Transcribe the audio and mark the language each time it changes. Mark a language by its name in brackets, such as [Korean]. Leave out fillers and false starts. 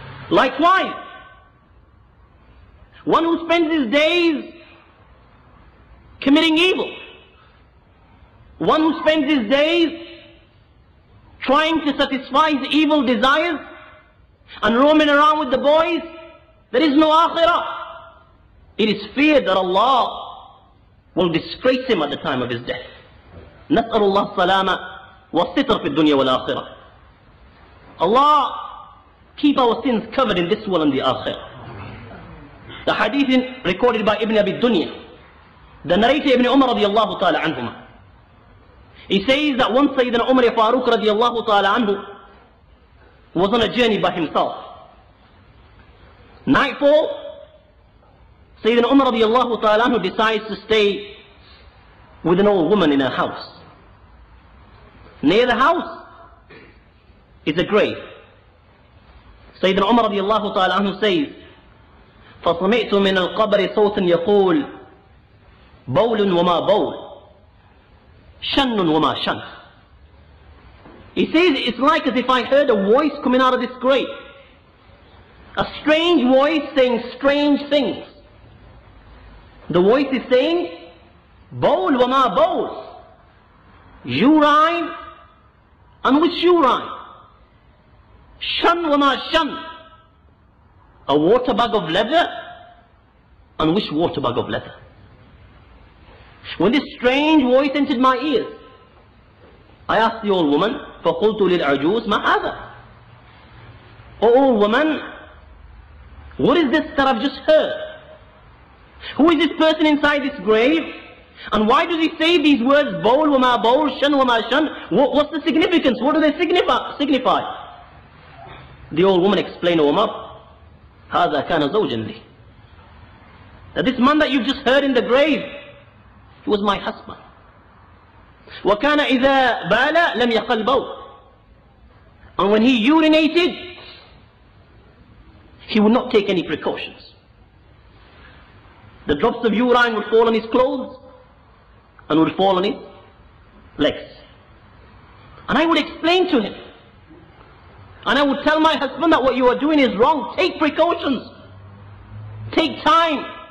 [English] Likewise, one who spends his days committing evil, one who spends his days trying to satisfy his evil desires and roaming around with the boys, there is no akhirah. It is feared that Allah will disgrace him at the time of his death. [Arabic] نسأل الله السلامة والستر في الدنيا والآخرة. [English] Allah keep our sins covered in this world and the آخرة. The hadith recorded by Ibn Abi Dunya, the narrator Ibn Umar [Arabic] رضي الله تعالى عنهما. [English] He says that once Sayyidina Umar Faruq [Arabic] رضي الله تعالى عنه [English] was on a journey by himself. Nightfall, Sayyidina Umar [Arabic] رضي الله تعالى عنه [English] decides to stay with an old woman in her house. Near the house is a grave. [Arabic] Sayyidina Umar رضي الله تعالى عنه [English] says, [Arabic] فسمعت من القبر صوتا يقول بول وما بول شن وما شن. [English] He says it's like as if I heard a voice coming out of this grave. A strange voice saying strange things. The voice is saying [Arabic] بول وما بول [English] urine and which urine, [Arabic] shun wama shun, [English] a water bag of leather and which water bag of leather. When this strange voice entered my ears, I asked the old woman, [Arabic] فَقُلْتُ لِلْعَجُوزِ مَا هَذَا. [English] O old woman, what is this that I've just heard? Who is this person inside this grave? And why does he say these words, [Arabic] bowl wama bowl, shun wama shun? [English] What's the significance? What do they signify? The old woman explained, Umar, [Arabic] هذا كان زوجا لي. [English] That this man that you've just heard in the grave, he was my husband. [Arabic] وكان إذا بال لم يقل بول. [English] And when he urinated, he would not take any precautions. The drops of urine would fall on his clothes and would fall on his legs. And I would explain to him, and I would tell my husband that what you are doing is wrong. Take precautions. Take time.